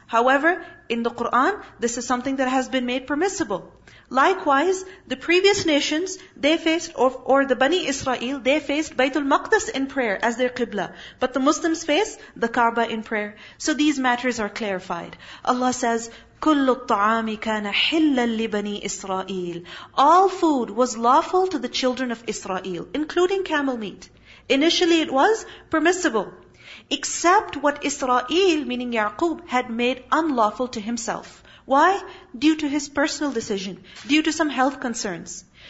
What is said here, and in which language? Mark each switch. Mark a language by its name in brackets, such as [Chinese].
[English] However, in the Qur'an, this is something that has been made permissible. Likewise, the previous nations, they faced, or the Bani Israel, they faced Baytul Maqdis in prayer as their Qibla. But the Muslims face the Kaaba in prayer. So these matters are clarified. Allah says, [Arabic] كُلُّ الطَّعَامِ كَانَ حِلًّا لِبَنِي إِسْرَائِيلِ. [English] All food was lawful to the children of Israel, including camel meat. Initially it was permissible. Except what Israel, meaning Ya'qub, had made unlawful to himself. Why? Due to his personal decision, due to some health concerns.